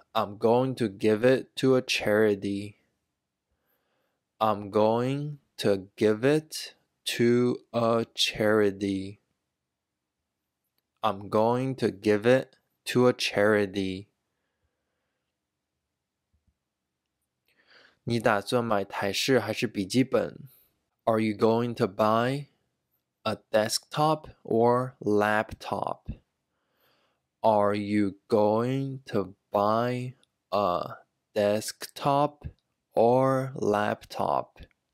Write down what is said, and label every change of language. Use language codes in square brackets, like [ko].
[en] I'm going to give it to a charity. I'm going to give it to a charity. I'm going to give it to a charity. [zh] 你打算买台式还是笔记本? [en] Are you going to buy a desktop or laptop? Are you going to buy a desktop or laptop?